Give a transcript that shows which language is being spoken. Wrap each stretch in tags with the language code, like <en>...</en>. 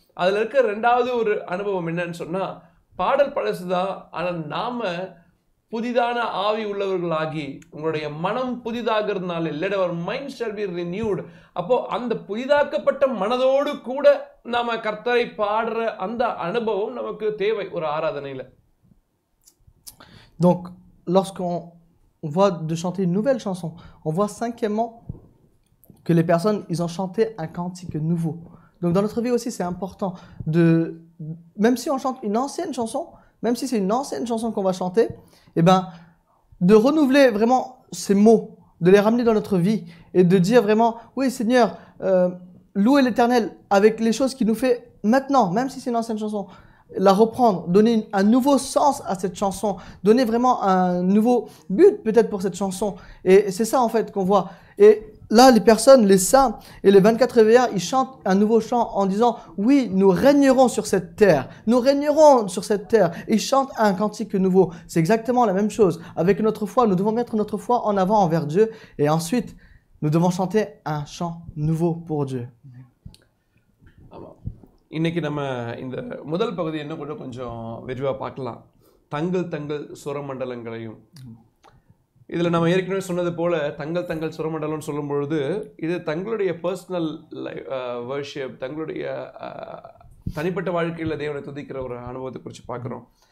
<ta>அதில் இருக்க ரெண்டாவது ஒரு அனுபவம் என்னன்னு சொன்னால், பாடல் பழசு தான், ஆனால் நாம் புதிதான ஆவி உள்ளவர்களாகி உங்களுடைய மனம் புதிதாகிறதுனால,</ta> <en>Let our mind shall be renewed.</en> <ta>அப்போது அந்த புதிதாக்கப்பட்ட மனதோடு கூட நாம் கர்த்தரை பாடுற அந்த அனுபவம் நமக்கு தேவை ஒரு ஆராதனையில்.</ta> <fr>Donc lorsqu'on voit de chanter une nouvelle chanson, on voit cinquièmement que les personnes, ils ont chanté un cantique nouveau. Donc dans notre vie aussi, c'est important de, même si on chante une ancienne chanson, même si c'est une ancienne chanson qu'on va chanter, eh ben, de renouveler vraiment ces mots, de les ramener dans notre vie et de dire vraiment, oui Seigneur, louez l'Éternel avec les choses qu'il nous fait maintenant, même si c'est une ancienne chanson, la reprendre, donner un nouveau sens à cette chanson, donner vraiment un nouveau but peut-être pour cette chanson. Et c'est ça en fait qu'on voit. Et là, les personnes, les saints et les 24 réveillards, ils chantent un nouveau chant en disant « Oui, nous régnerons sur cette terre. Nous régnerons sur cette terre. » Ils chantent un cantique nouveau. C'est exactement la même chose. Avec notre foi, nous devons mettre notre foi en avant envers Dieu. Et ensuite, nous devons chanter un chant nouveau pour Dieu.</fr> <ta>இன்னைக்கு நம்ம இந்த முதல் பகுதி என்ன கொஞ்சம் விரிவாக பார்க்கலாம். தங்கள் தங்கள் சுரமண்டலங்களையும். இதில் நம்ம ஏற்கனவே சொன்னது போல், தங்கள் தங்கள் சுரமண்டலம்னு சொல்லும்பொழுது இது தங்களுடைய பர்சனல் லைஃப் வர்ஷிப், தங்களுடைய தனிப்பட்ட வாழ்க்கையில் தேவனை துதிக்கிற ஒரு அனுபவத்தை குறித்து பார்க்குறோம்.</ta>